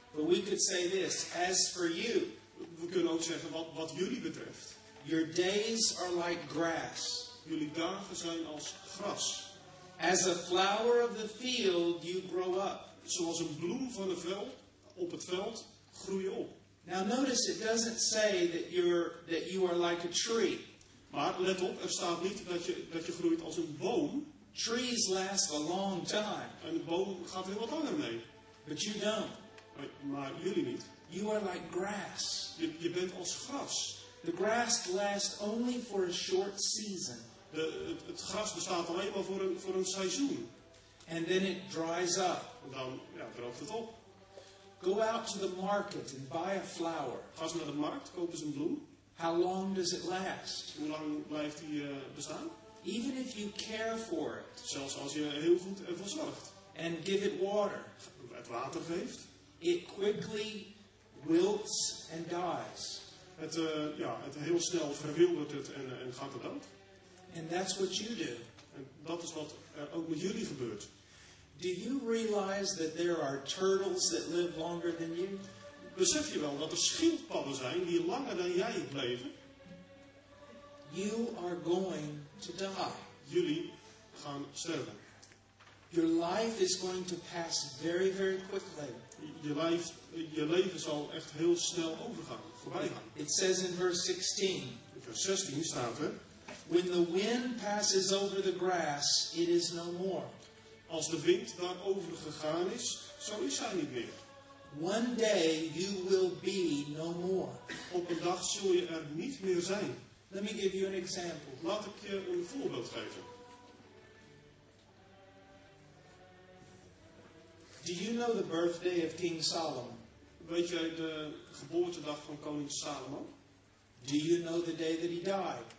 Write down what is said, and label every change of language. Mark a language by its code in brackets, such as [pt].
[en] But we could say this, as for you. [nl] We kunnen ook zeggen, wat jullie betreft. [en] Your days are like grass. [nl] Jullie dagen zijn als gras. [en] As a flower of the field, you grow up. [nl] Zoals een bloem van een veld, op het veld, groei je op. [en] Now notice, it doesn't say that you are like a tree. [nl] Maar let op, er staat niet dat je groeit als een boom. [en] Trees last a long time. [nl] En de boom gaat heel wat langer mee. [en] But you don't. [nl] Maar jullie niet. [en] You are like grass. [nl] Je bent als gras. [en] The grass lasts only for a short season. [nl] Het gras bestaat alleen maar voor een seizoen. [en] And then it dries up. [nl] En dan droogt het op. [en] Go out to the market and buy a flower. [nl] Ga naar de markt, koop eens een bloem. [en] How long does it last? [nl] Hoe lang blijft die bestaan? [en] Even if you care for it. [nl] Zelfs als je heel goed ervoor zorgt. [en] And give it water. [nl] Het water geeft. [en] It quickly wilts and dies. [nl] Het heel snel verwildert het en gaat er dood. [en] And that's what you do. [nl] En dat is wat er ook met jullie gebeurt. [en] Do you realize that there are turtles that live longer than you? [nl] Besef je wel dat er schildpadden zijn die langer dan jij leven? [en] You are going to die. [nl] Jullie gaan sterven. [en] Your life is going to pass very, very quickly. [nl] Je leven zal echt heel snel overgaan, voorbij gaan. [en] It says in verse 16. [nl] In vers 16 staat er. [en] When the wind passes over the grass, it is no more. [nl] Als de wind daarover gegaan is, zo is hij niet meer. [en] One day you will be no more. [nl] Op een dag zul je er niet meer zijn. [en] Let me give you an example. [nl] Laat ik je een voorbeeld geven. [en] Do you know the birthday of King Solomon? [nl] Weet jij de geboortedag van koning Salomon? [en] Do you know the day that he died?